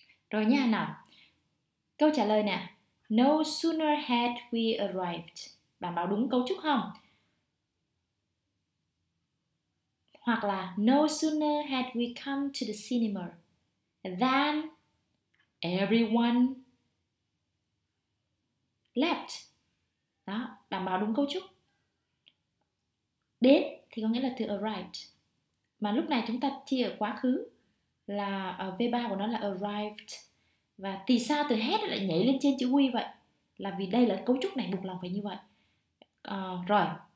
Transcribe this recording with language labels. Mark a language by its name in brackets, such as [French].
[Vietnamese] Rồi nha nào. Câu trả lời nè. [English] No sooner had we arrived. [Vietnamese] Đảm bảo đúng cấu trúc không? Hoặc là [English] no sooner had we come to the cinema than everyone left. [Vietnamese] Đó, đảm bảo đúng cấu trúc. Đến thì có nghĩa là to arrive. Mà lúc này chúng ta chia ở quá khứ là V3 của nó là arrived. Và vì sao từ had lại nhảy lên trên chữ we vậy? Là vì đây là cấu trúc này buộc lòng phải như vậy. Rồi.